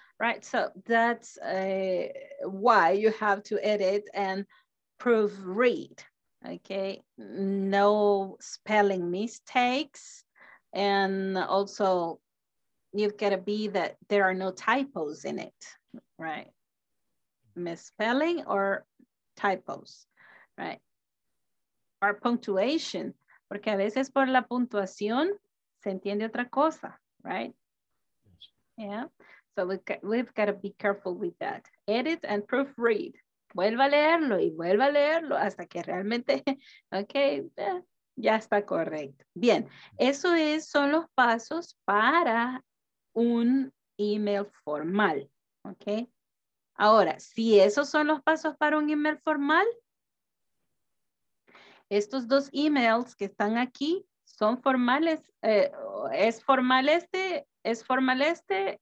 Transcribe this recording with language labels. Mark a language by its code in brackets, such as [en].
[en] Right, so that's why you have to edit and proofread, okay? No spelling mistakes. And also you've got to be that there are no typos in it, right? Misspelling or typos, right? Or punctuation, [es] porque a veces por la puntuación se entiende otra cosa, right? [en] Yeah. So we've got to be careful with that. Edit and proofread. [es] Vuelva a leerlo y vuelva a leerlo hasta que realmente, okay, ya está correcto. Bien, eso es, son los pasos para un email formal, okay? Ahora, si esos son los pasos para un email formal, estos dos emails que están aquí son formales, es formal este, ¿es formal este?